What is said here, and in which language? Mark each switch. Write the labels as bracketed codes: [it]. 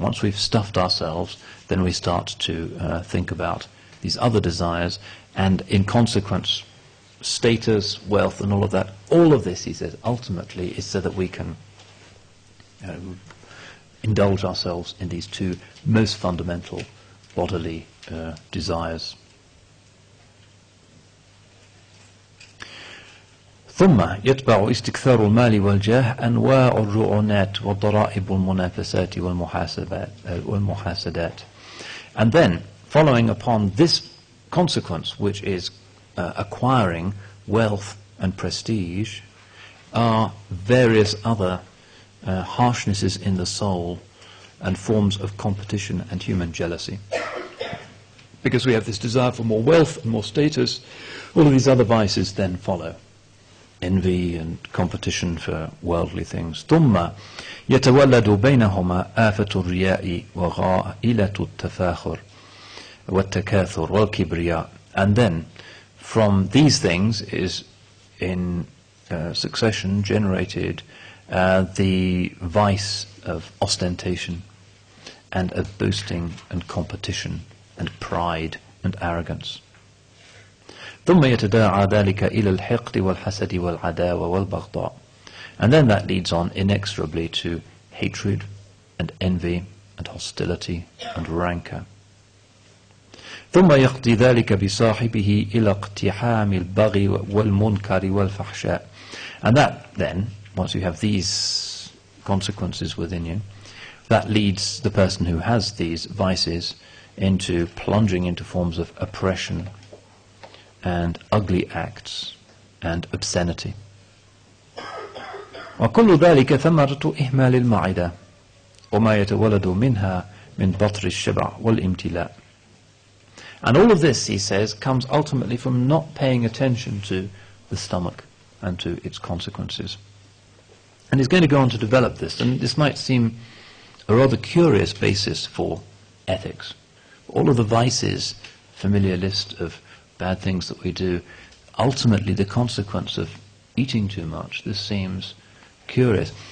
[en] Once we've stuffed ourselves, then we start to think about these other desires, and in consequence, status, wealth, and all of that. All of this, he says, ultimately is so that we can indulge ourselves in these two most fundamental bodily desires. [ar] ثم يتبع استكثار المال والجاه أنواع الرعونات والضرائب المنافسات والمحاسدات. [en] And then, following upon this consequence, which is acquiring wealth and prestige, are various other harshnesses in the soul and forms of competition and human jealousy. Because we have this desire for more wealth and more status, all of these other vices then follow. Envy and competition for worldly things. [ar] ثم يتولد بينهما آفة الرياء وغائلة التفاخر والتكاثر والكبرياء. [en] And then, from these things is in succession generated the vice of ostentation and of boasting and competition and pride and arrogance. [ar] ثم يتداعى ذلك إلى الحقد والحسد والعداوة والبغضاء. [en] And then that leads on inexorably to hatred and envy and hostility and rancor. [ar] ثم يقضي ذلك بصاحبه إلى اقتحام البغي والمنكر والفحشاء. [en] And that then, once you have these consequences within you, that leads the person who has these vices into plunging into forms of oppression and ugly acts and obscenity. [ar] وكل ذلك ثمرة إهمال المعدة وما يتولد منها من بطر الشبع والامتلاء. [en] And all of this, he says, comes ultimately from not paying attention to the stomach and to its consequences. And he's going to go on to develop this, and this might seem a rather curious basis for ethics. All of the vices, familiar list of bad things that we do, ultimately the consequence of eating too much, this seems curious.